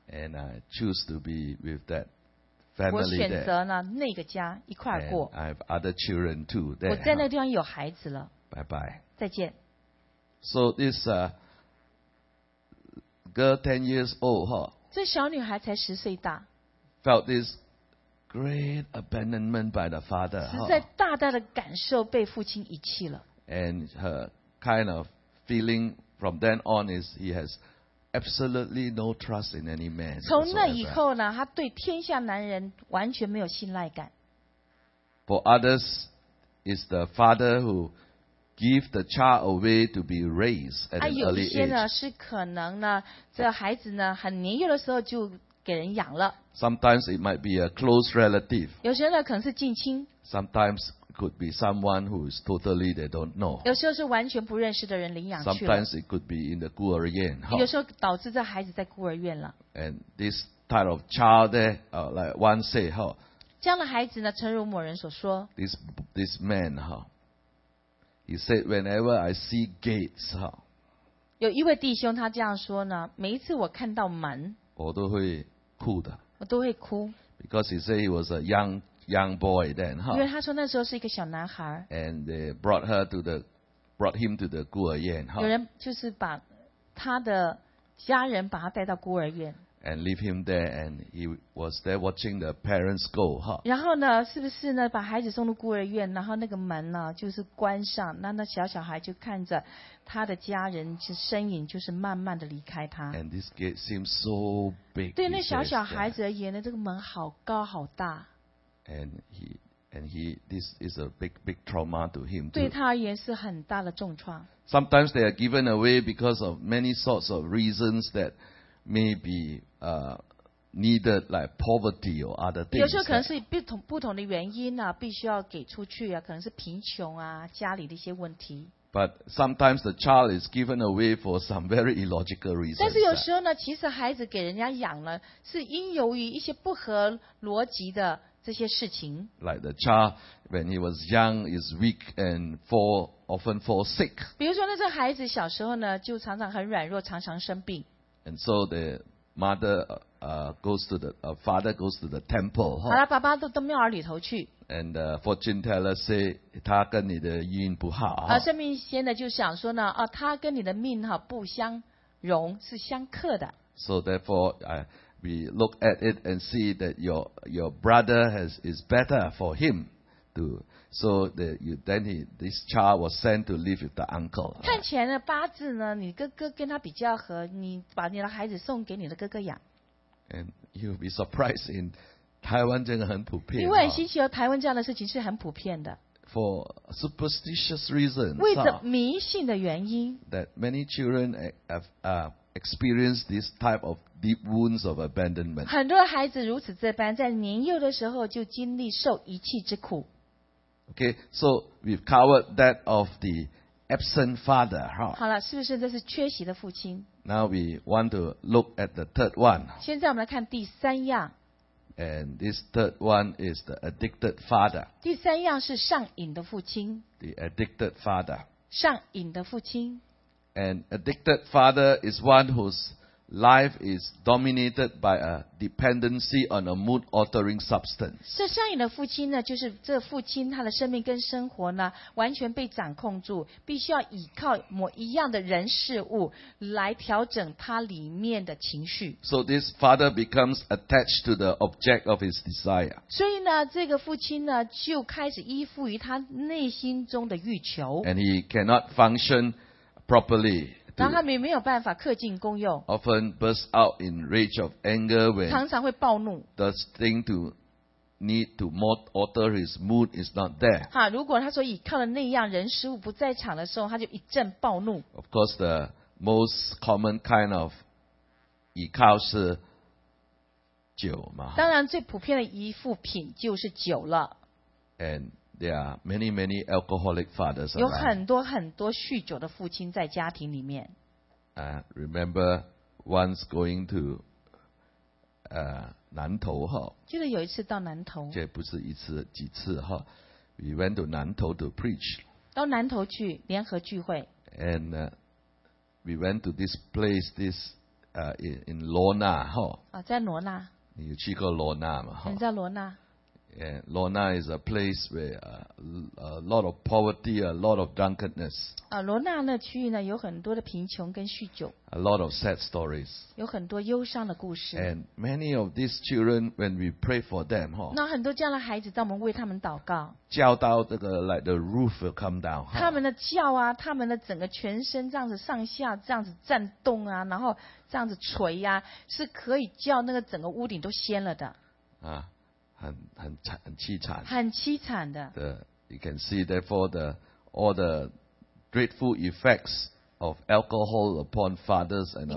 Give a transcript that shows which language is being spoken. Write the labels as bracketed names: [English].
[English] And I choose to be with that family there. [Chinese] 我选择呢那个家一块过。 [English] And I have other children too there. [Chinese] 我在那地方有孩子了。 [English] Bye bye. [Chinese] 再见。 [English] So this girl 10 years old, huh, [Chinese] 这小女孩才10岁大， [English] felt this great abandonment by the father, huh, [Chinese] 实在大大的感受被父亲遗弃了。 [English] And her kind of feeling from then on is he has absolutely no trust in any man. [Chinese] 从那以后呢， 她对天下男人完全没有信赖感。 [English] For others, it's the father who give the child away to be raised at an early age. [Chinese] 有一些呢，是可能呢，这孩子呢很年幼的时候就给人养了。 [English] Sometimes it might be a close relative. [Chinese] 有些呢可能是近亲。 [English] Sometimes could be someone who is totally they don't know. [Chinese] 有时候是完全不认识的人领养去了。 [English] Sometimes it could be in the 孤儿院。 [Chinese] 有时候导致这孩子在孤儿院了。 [English] And this type of child there, like one say, 哈。 [Chinese] 这样的孩子呢，诚如某人所说。 [English] This man, 哈。He said, whenever I see gates, 哈。 [Chinese] 有一位弟兄他这样说呢，每一次我看到门，我都会哭的。我都会哭。 [English] Because he said he was a young boy then, [Chinese] 因为他说那时候是一个小男孩。 [English] And they brought him to the 孤儿院。 [Chinese] 有人就是把他的家人把他带到孤儿院。 [English] And leave him there, and he was there watching the parents go, [Chinese] 然后呢，是不是呢？把孩子送入孤儿院，然后那个门呢，就是关上，那小小孩就看着他的家人是身影，就是慢慢的离开他。 [English] And this gate seems so big. [Chinese] 对，那小小孩子而言呢，这个门好高好大。 [English] And he, this is a big trauma to him. [Chinese] 对他而言是很大的重创。 [English] Sometimes they are given away because of many sorts of reasons that maybe needed like poverty or other things. [Chinese] 有时候可能是不同的原因啊，必须要给出去啊，可能是贫穷啊，家里的一些问题。 [English] But sometimes the child is given away for some very illogical reasons. [Chinese] 但是有时候呢，其实孩子给人家养了，是因由于一些不合逻辑的这些事情。 [English] Like the child when he was young is weak and often fall sick. [Chinese] 比如说那这孩子小时候呢，就常常很软弱，常常生病。 [English] And so the mother father goes to the temple. [Chinese] 好了，爸爸到庙里头去。 [English] And the fortune teller say [Chinese] 他跟你的运不好。算命先生就想说呢，他跟你的命不相容，是相克的。 [English] So therefore, we look at it and see that your brother is better for him to. So this child was sent to live with the uncle. [Chinese] 看起来呢，八字呢，你哥哥跟他比较合，你把你的孩子送给你的哥哥养。 [English] And you'll be surprised in Taiwan, [Chinese] 这个很普遍。因为很新奇哦，台湾这样的事情是很普遍的。 [English] For superstitious reasons, [Chinese] 为着迷信的原因。 [English] That many children have experienced this type of deep wounds of abandonment. [Chinese] 很多孩子如此这般，在年幼的时候就经历受遗弃之苦。 [English] Okay, so we've covered that of the absent father, [Chinese] 好了，是不是这是缺席的父亲？ [English] Now we want to look at the third one. [Chinese] 现在我们来看第三样。 [English] And this third one is the addicted father. [Chinese] 第三样是上瘾的父亲。 [English] The addicted father. [Chinese] 上瘾的父亲。 [English] And addicted father is one whose life is dominated by a dependency on a mood-altering substance. [Chinese] 这上瘾的父亲呢，就是这父亲他的生命跟生活呢，完全被掌控住，必须要依靠某一样的人事物来调整他里面的情绪。 [English] So this father becomes attached to the object of his desire. [Chinese] 所以呢，这个父亲呢，就开始依附于他内心中的欲求。 [English] And he cannot function properly. [Chinese] 然后他没有办法恪尽功用。 [English] Often burst out in rage of anger when [Chinese] 常常会暴怒。 [English] The thing to need to more alter his mood is not there. [Chinese] 哈，如果他说依靠的那样人事物不在场的时候，他就一阵暴怒。 [English] Of course, the most common kind of [Chinese] 依靠是酒嘛。当然，最普遍的依附品就是酒了。 [English] And there are many, many alcoholic fathers. [Chinese] 有很多很多酗酒的父亲在家庭里面。 [English] Remember once going to 南投哈。 [Chinese] 记得有一次到南投。这不是一次，几次哈。 [English] We went to 南投 to preach. [Chinese] 到南投去联合聚会。 [English] And we went to this place, in Lorna 哈。 [Chinese] 啊，在罗纳。你有去过罗纳吗？人在罗纳。 [English] And Lorna is a place where a lot of poverty, a lot of drunkenness. [Chinese] 罗纳那区域呢，有很多的贫穷跟酗酒。 [English] A lot of sad stories. [Chinese] 有很多忧伤的故事。 [English] And many of these children, when we pray for them, [Chinese] 那很多这样的孩子，当我们为他们祷告，叫到这个 [English] like the roof will come down. [Chinese] 他们的叫啊，他们的整个全身这样子上下这样子震动啊，然后这样子捶啊，是可以叫那个整个屋顶都掀了的。很凄惨，很凄惨的。 [English] You can see, therefore, all the dreadful effects of alcohol upon fathers and upon disruptions.